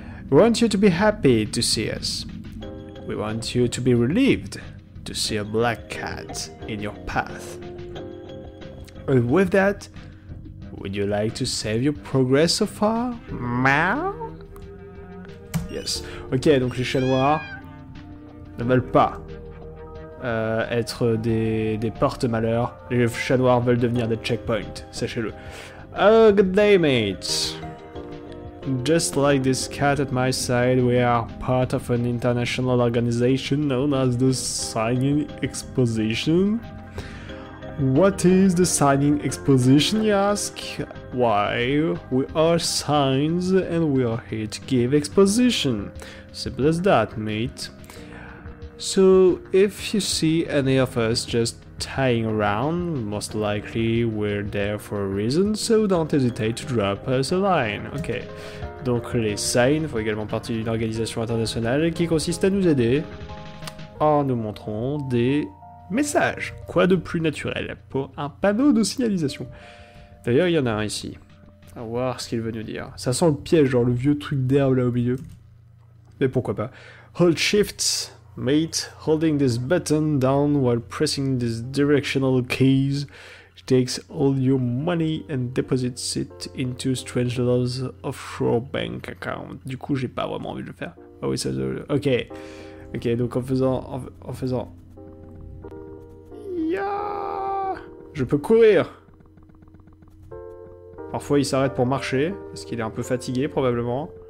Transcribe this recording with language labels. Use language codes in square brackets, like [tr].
[en] We want you to be happy to see us. We want you to be relieved to see a black cat in your path. And with that, would you like to save your progress so far? Meow? Yes. [fr] Ok, donc les chats noirs ne veulent pas. Être des porte-malheurs. Les chats noirs veulent devenir des checkpoints, sachez-le. [en] Oh, good day, mate. Just like this cat at my side, we are part of an international organization known as the Signing Exposition. What is the Signing Exposition, you ask? Why, we are signs and we are here to give exposition. Simple as that, mate. So, if you see any of us just tying around, most likely we're there for a reason, so don't hesitate to drop us a line. Ok. [fr] Donc les signs font également partie d'une organisation internationale qui consiste à nous aider en nous montrant des messages. Quoi de plus naturel pour un panneau de signalisation? D'ailleurs, il y en a un ici. On va voir ce qu'il veut nous dire. Ça sent le piège, genre le vieux truc d'herbe là au milieu. Mais pourquoi pas. [en] Hold shift. Mate, holding this button down while pressing these directional keys takes all your money and deposits it into Strangelove's offshore bank account. [fr] Du coup, j'ai pas vraiment envie de le faire. Ah oh, oui, ça... Ok. Ok, donc en faisant... Yeah! Je peux courir. Parfois, il s'arrête pour marcher, parce qu'il est un peu fatigué, probablement.